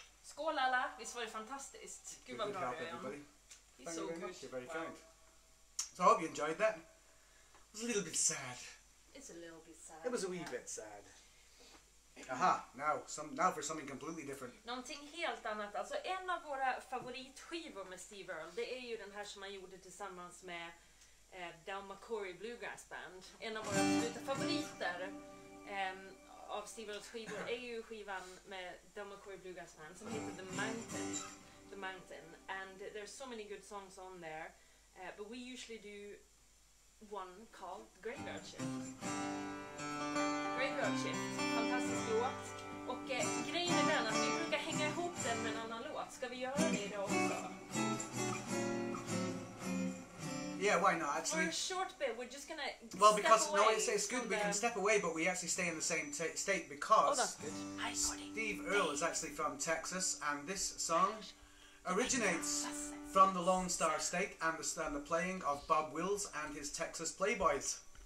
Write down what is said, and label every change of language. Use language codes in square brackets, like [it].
[sv] Skål alla, visst var det fantastiskt? Gud vad bra det är. [en] Thank you very much. So I hope you enjoyed that. It was a little bit sad. It's a little bit sad. It was a wee bit sad. Aha, now for something completely different. [sv] Någonting helt annat. Alltså en av våra favoritskivor med Steve Earle, det är ju den här som han gjorde tillsammans med Del McCoury Bluegrass Band. En av våra absoluta favoriter. Av Steve Earles skivor är ju skivan med Del McCoury Bluegrass Band som heter The Mountain. The Mountain. [en] And there's so many good songs on there. But we usually do one called Graveyard Shift. [sv] Graveyard Shift. Fantastisk låt. Och grejen är den att vi brukar hänga ihop den med en annan låt. Ska vi göra det idag också? [en] Yeah, why not, actually? For a short bit, we're just going to step away. Well, because, no, it's good, we can step away, but we actually stay in the same state because Steve Earle is actually from Texas, and this song originates from the Lone Star State and the playing of Bob Wills and his Texas Playboys.